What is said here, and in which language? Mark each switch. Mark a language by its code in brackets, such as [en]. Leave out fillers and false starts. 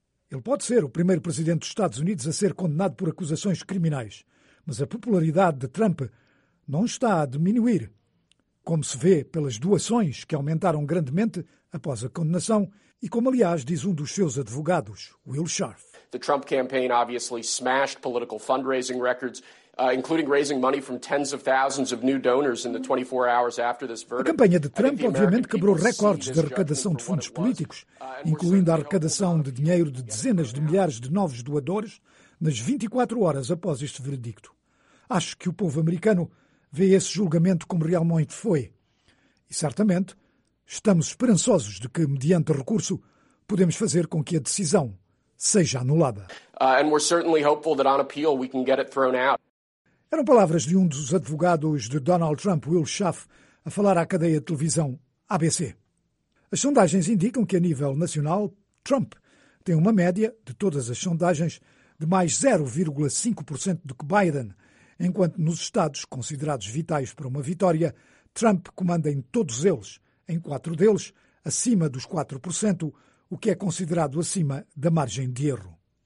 [pt] Ele pode ser o primeiro presidente dos Estados Unidos a ser condenado por acusações criminais, mas a popularidade de Trump não está a diminuir, como se vê pelas doações que aumentaram grandemente após a condenação e como, aliás, diz um dos seus advogados, Will Scharf. [en] The Trump campaign obviously smashed political fundraising records, including raising money from tens of thousands of new donors in the 24 hours after this verdict. [pt] A campanha de Trump obviamente quebrou recordes de arrecadação de fundos políticos, incluindo a arrecadação de dinheiro de dezenas de milhares de novos doadores nas 24 horas após este veredicto. Acho que o povo americano vê esse julgamento como realmente foi. E certamente estamos esperançosos de que, mediante recurso, podemos fazer com que a decisão seja anulada. [en] And we're certainly hopeful that on appeal we can get it thrown out. [pt] Eram palavras de um dos advogados de Donald Trump, Will Schaff, a falar à cadeia de televisão ABC. As sondagens indicam que, a nível nacional, Trump tem uma média, de todas as sondagens, de mais 0,5% do que Biden, enquanto nos estados considerados vitais para uma vitória, Trump comanda em todos eles, em quatro deles, acima dos 4%, o que é considerado acima da margem de erro.